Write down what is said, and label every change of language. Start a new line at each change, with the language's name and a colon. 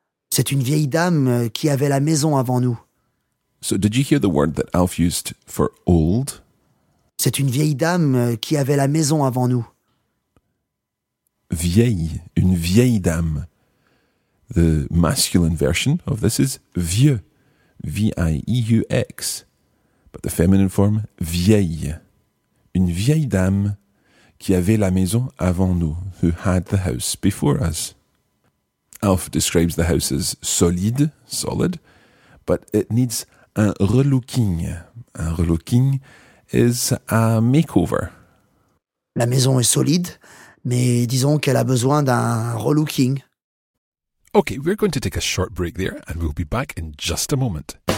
French: C'est une vieille dame qui avait la maison avant nous.
English: So did you hear the word that Alf used for old?
French: C'est une vieille dame qui avait la maison avant nous. Vieille, une vieille dame.
English: The masculine version of this is vieux, V-I-E-U-X. But the feminine form, vieille.
French: Une vieille dame qui avait la maison avant nous,
English: who had the house before us. Alf describes the house as solide, solid, but it needs un relooking. Un relooking is a makeover.
French: La maison est solide, mais disons qu'elle a besoin d'un relooking.
English: Okay, we're going to take a short break there and we'll be back in just a moment.